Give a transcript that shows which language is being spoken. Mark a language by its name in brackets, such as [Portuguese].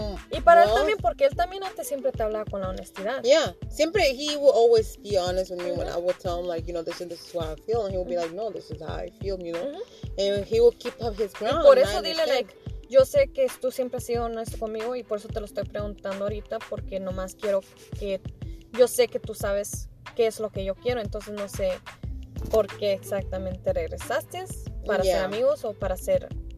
[Spanish] Y para él también, porque él también antes siempre te hablaba con la honestidad. [English] Yeah, [Spanish] siempre, [English] he will always be honest with me when I would tell him, like, you know, this is what I feel. And he would be like, no, this is how I feel, you know. And he will keep up his ground. [Spanish] Y por eso dile, like, yo sé que tú siempre has sido honesto conmigo y por eso te lo estoy preguntando ahorita, porque nomás quiero que... Yo sé que tú sabes qué es lo que yo quiero, entonces no sé por qué exactamente regresaste para ser amigos o para ser...